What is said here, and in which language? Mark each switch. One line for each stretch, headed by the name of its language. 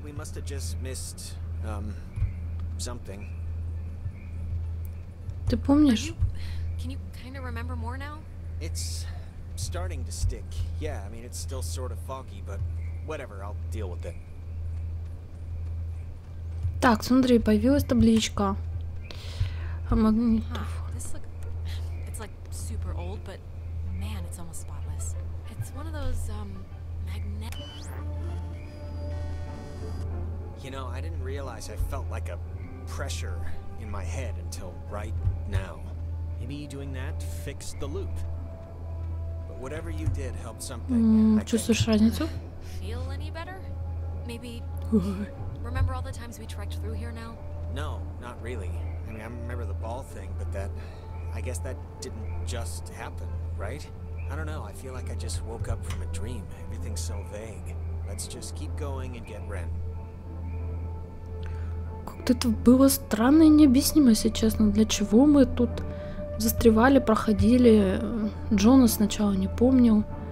English: We must have just missed something.
Russian: Ты помнишь?
English: Can you kind of remember more now? It's starting to stick. Yeah, I mean it's still sort of foggy, but whatever, I'll deal with it.
Russian: Так, смотри, появилась табличка.
English: It's like super old, but man, it's almost spotless. It's one of those magnetic. You know, I didn't realize I felt like a pressure in my head until right now. Maybe doing that fixed the loop. But whatever you did helped something.
Russian: Чувствуешь разницу?
English: Feel any better? Maybe. Remember all the times we trekked through here now? No, not really. I mean, I remember the ball thing, but that, I guess that didn't just happen, right? I don't know. I feel like I just woke up from a dream. Everything's so vague. Let's just keep going and get Ren.
Russian: Как-то это было странно и необъяснимо, если честно. Для чего мы тут застревали, проходили? Джона сначала не помнил.